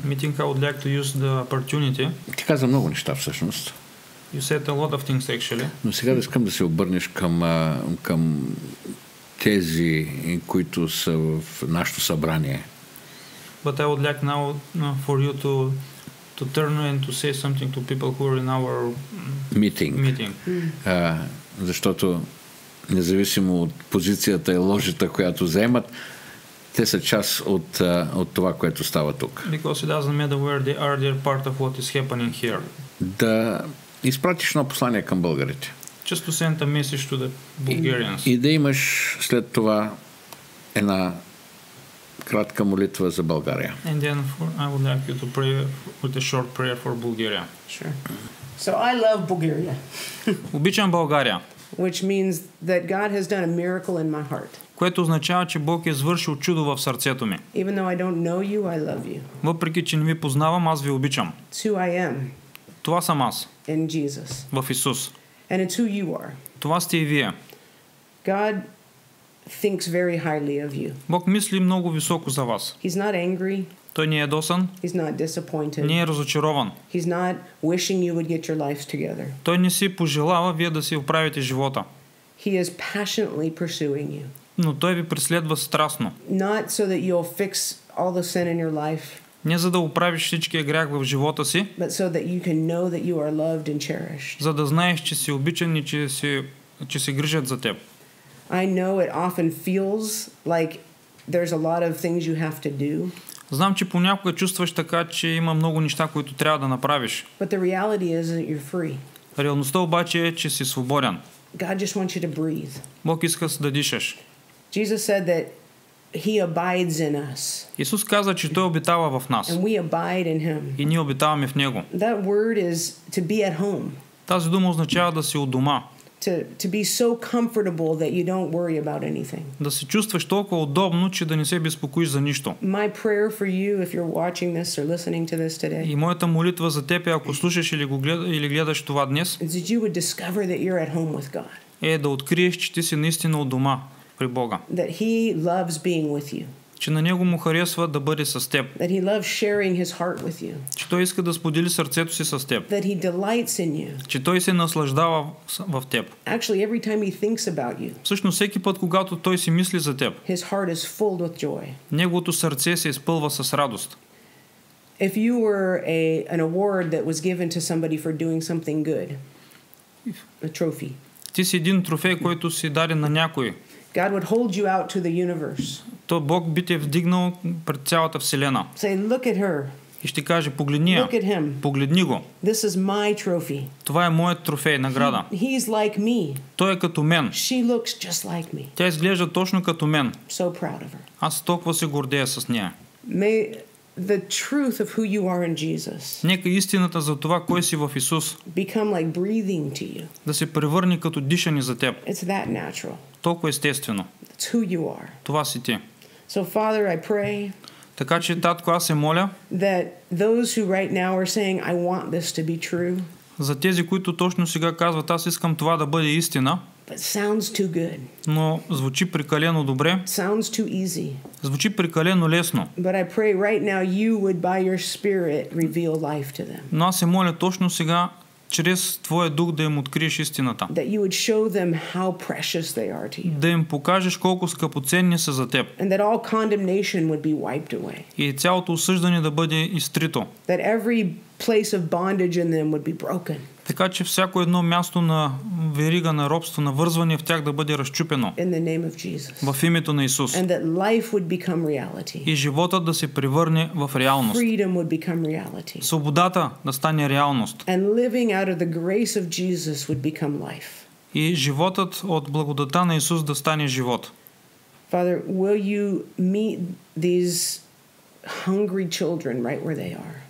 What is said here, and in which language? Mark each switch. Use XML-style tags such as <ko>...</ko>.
<en>Meeting, I would like to use the opportunity.</en> <bg>Ти каза много неща всъщност.</bg> <en>You said a lot of things actually.</en> <bg>Но сега искам да се обърнеш към тези, които са в нашето събрание.</bg> <en>But I would like now for you to turn and to say something to people who are in our meeting.</en> <bg>Защото независимо от позицията и ложата, която заемат, те са част от това, което става тук.</bg> <en>Because it doesn't matter where they are, they're part of what is happening here.</en> <bg>Да изпратиш едно послание към българите.</bg> <en>Just to send a message to the Bulgarians.</en> <bg>И да имаш след това една кратка молитва за България.</bg> <en>And then I would like you to pray with a short prayer for Bulgaria. Sure. So I love Bulgaria.</en> <bg>Обичам България.</bg> <en>Which means that God has done a miracle in my heart.</en> <bg>Което означава, че Бог е извършил чудо в сърцето ми.</bg> <en>Even though I don't know you, I love you.</en> <bg>Въпреки че не ви познавам, аз ви обичам.</bg> <en>It's who I am.</en> <bg>Това съм аз.</bg> <en>In Jesus.</en> <bg>В Исус.</bg> <en>And it's who you are.</en> <bg>Това сте и вие.</bg> <en>God thinks very highly of you.</en> <bg>Бог мисли много високо за вас.</bg> <en>He's not angry.</en> <bg>Той не е досан.</bg> <en>He's not disappointed.</en> <bg>Не е разочарован.</bg> <en>He's not wishing you would get your lives together.</en> <bg>Той не си пожелава вие да си оправите живота.</bg> <en>He is passionately pursuing you.</en> <bg>Но той ви преследва страстно.</bg> <en>Not so that you'll fix all the sin in your life.</en> <bg>Не за да оправиш всичкия грях в живота си.</bg> <en>But so that you can know that you are loved and cherished.</en> <bg>За да знаеш, че си обичан и че се грижат за теб.</bg> <en>I know it often feels like there's a lot of things you have to do.</en> <bg>Знам, че понякога чувстваш така, че има много неща, които трябва да направиш.</bg> <en>But the reality is that you're free.</en> <bg>Реалността обаче е, че си свободен.</bg> <en>God just wants you to breathe.</en> <bg>Бог иска да дишаш.</bg> <en>Jesus said that He abides in us.</en> <bg>Исус каза, че Той обитава в нас.</bg> <en>And we abide in Him.</en> <bg>И ние обитаваме в Него.</bg> <en>That word is to be at home.</en> <bg>Тази дума означава да си у дома.</bg> <en>To be so comfortable that you don't worry about anything.</en> <bg>Да се чувстваш толкова удобно, че да не се безпокоиш за нищо.</bg> <en>My prayer for you, if you're watching this or listening to this today.</en> <bg>И моята молитва за теб, ако слушаш или го гледаш или гледаш това днес.</bg> <en>That you would discover that you're at home with God.</en> <bg>Е да откриеш, че ти си наистина у дома при Бога.</bg> <en>That He loves being with you.</en> <bg>Че на Него му харесва да бъде с теб.</bg> <en>That He loves sharing His heart with you.</en> <bg>Че Той иска да сподели сърцето си с теб.</bg> <en>That He delights in you.</en> <bg>Че Той се наслаждава в теб.</bg> <en>Actually, every time He thinks about you.</en> <bg>Всъщност всеки път, когато Той си мисли за теб.</bg> <en>His heart is filled with joy.</en> <bg>Неговото сърце се изпълва с радост.</bg> <en>If you were an award that was given to somebody for doing something good. A trophy.</en> <bg>Ти си един трофей, който си даде на някой.</bg> <en>God would hold you out to the universe.</en> <bg>То Бог би те вдигнал пред цялата вселена.</bg> <en>Say, look at her.</en> <bg>И ще каже, погледни я.</bg> <en>Look at him.</en> <bg>Погледни го.</bg> <en>This is my trophy.</en> <bg>Това е моят трофей, награда.</bg> <en>He's like me.</en> <bg>Той е като мен.</bg> <en>She looks just like me.</en> <bg>Тя изглежда точно като мен.</bg> <en>So proud of her.</en> <bg>Аз толкова се гордея с нея.</bg> <en>May the truth of who you are in Jesus.</en> <bg>Нека истината за това кой си в Исус.</bg> <en>Become like breathing to you.</en> <bg>Да се превърне като дишане за теб.</bg> <en>It's that natural.</en> <bg>Толкова естествено.</bg> <en>That's who you are.</en> <bg>Това си ти.</bg> <en>So Father, I pray.</en> <bg>Така че татко, аз се моля.</bg> <en>That those who right now are saying I want this to be true.</en> <bg>За тези, които точно сега казват, аз искам това да бъде истина.</bg> <en>But sounds too good.</en> <bg>Но звучи прекалено добре.</bg> <en>Sounds too easy.</en> <bg>Звучи прекалено лесно.</bg> <en>But I pray right now you would by your spirit reveal life to them.</en> <bg>Но аз се моля точно сега чрез Твоя Дух да им откриеш истината.</bg> <en>That you would show them how precious they are to you.</en> <bg>Да им покажеш колко скъпоценни са за теб.</bg> <en>And that all condemnation would be wiped away.</en> <bg>И цялото осъждане да бъде изтрито.</bg> <en>That every place of bondage in them would be broken.</en> <bg>Така че всяко едно място на верига, на робство, на вързване в тях да бъде разчупено.</bg> <en>In the name of Jesus.</en> <bg>В името на Исус.</bg> <en>And that life would become reality.</en> <bg>И живота да се превърне в реалност.</bg> <en>Freedom would become reality.</en> <bg>Свободата да стане реалност.</bg> <en>And living out of the grace of Jesus would become life.</en> <bg>И животът от благодата на Исус да стане живот.</bg> <en>Father, will you meet these hungry children right where they are?</en>